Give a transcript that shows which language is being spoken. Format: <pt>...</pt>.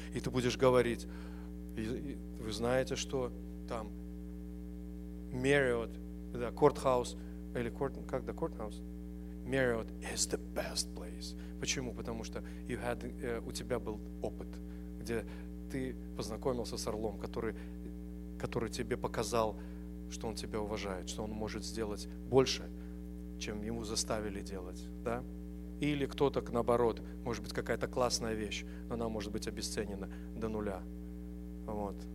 <ru>И ты будешь говорить, вы знаете, что там Marriott, да, Courthouse, или Courthouse?</ru> <en>Marriott is the best place.</en> <ru>Почему? Потому что у тебя был опыт, где ты познакомился с орлом, который тебе показал, что он тебя уважает, что он может сделать больше, чем ему заставили делать. Да? Или кто-то, наоборот, может быть, какая-то классная вещь, но она может быть обесценена до нуля. Вот.</ru>